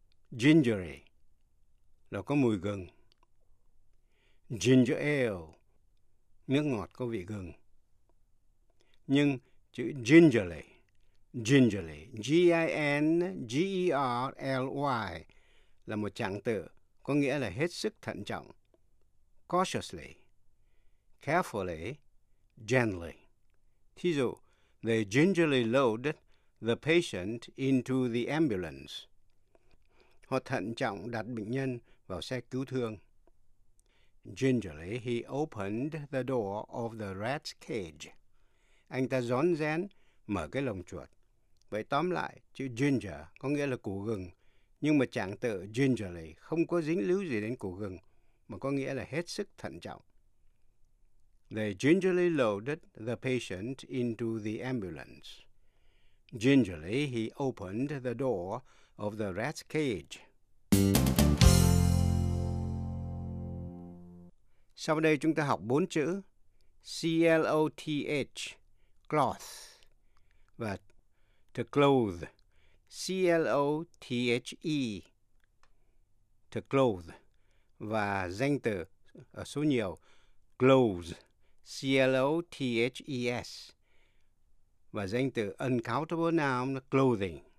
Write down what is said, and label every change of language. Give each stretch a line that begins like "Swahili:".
Vietnamese: Gingery, là có mùi gừng. Ginger ale, nước ngọt có vị gừng. nhưng chữ gingerly, gingerly, G-I-N-G-E-R-L-Y, là một trạng từ có nghĩa là hết sức thận trọng.
English: Cautiously, carefully, gently.
Vietnamese: Thí dụ,
English: they gingerly loaded the patient into the ambulance.
Vietnamese: Họ thận trọng đặt bệnh nhân vào xe cứu thương.
English: Gingerly, he opened the door of the rat's cage.
Vietnamese: Anh ta rón rén mở cái lồng chuột. Vậy tóm lại, chữ ginger có nghĩa là củ gừng, nhưng mà trạng từ gingerly không có dính líu gì đến củ gừng, mà có nghĩa là hết sức thận trọng.
English: They gingerly loaded the patient into the ambulance. Gingerly, he opened the door of the rat's cage.
Vietnamese: Sau đây chúng ta học bốn chữ C-L-O-T-H, cloth, và to clothe, C-L-O-T-H-E, to clothe, và danh từ ở số nhiều, clothes, C-L-O-T-H-E-S, và danh từ uncountable noun, clothing.